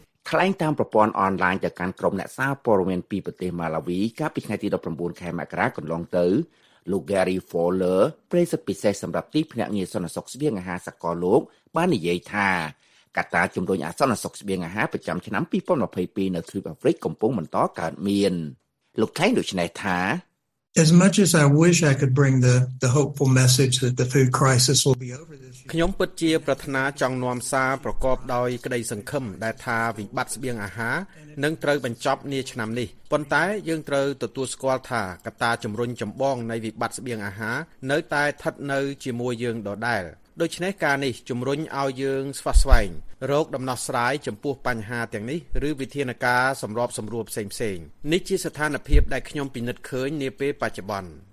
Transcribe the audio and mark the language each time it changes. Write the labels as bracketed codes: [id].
[km] ខ្លែងតាមប្រព័ន្ធអនឡាញទៅកាន់ក្រុមអ្នកសារព័ត៌មានពីប្រទេសម៉ាឡាវីកាលពីថ្ងៃទី19ខែមករាកន្លងទៅលោក Gary Fowler ប្រេសិតពិសេសសម្រាប់ទីភ្នាក់ងារសន្តិសុខស្បៀងអាហារសកលលោកបាននិយាយថាកត្តាជំរុញអសន្តិសុខស្បៀងអាហារប្រចាំឆ្នាំ2022នៅទ្វីបអាហ្វ្រិកកំពុងបន្តកើតមានលោកថែងដូចនេះថា [en] As much as I wish I could bring the hopeful message that the food crisis will be over this year [km] ខ្ញុំពិតជាប្រាថ្នាចង់នាំសារប្រកបដោយក្តីសង្ឃឹមដែលថាវិបត្តិស្បៀងអាហារនឹងត្រូវបញ្ចប់នាឆ្នាំនេះប៉ុន្តែយើងត្រូវទទួលស្គាល់ថាកត្តាជំរុញចម្បងនៃវិបត្តិស្បៀងអាហារនៅតែស្ថិតនៅជាមួយយើងដដែលដូច្នេះការនេះជំរុញឲ្យយើងស្វាស្វែងរោគដំណោះស្រាយចំពោះបញ្ហាទាំងនេះឬវិធានការសម្របសម្រួលផ្សេងៗនេះជាស្ថានភាពដែលខ្ញុំពិនិត្យឃើញនាពេលបច្ចុប្បន្ន